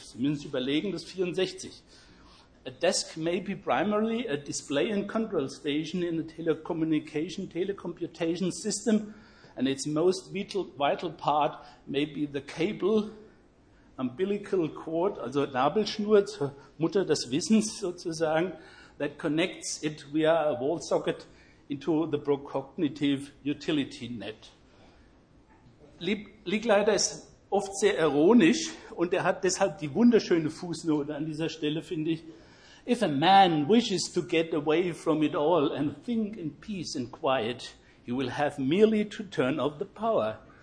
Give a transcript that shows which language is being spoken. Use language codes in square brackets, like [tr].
[de] Sie müssen sich überlegen, das ist 64. [en] A desk may be primarily a display and control station in a telecommunication system, and its most vital part may be the cable, umbilical cord, [de] also Nabelschnur zur Mutter des Wissens sozusagen, [en] that connects it via a wall socket into the procognitive utility net. [de] Licklider ist oft sehr ironisch und er hat deshalb die wunderschöne Fußnote an dieser Stelle, finde ich. [en] If a man wishes to get away from it all and think in peace and quiet, he will have merely to turn off the power.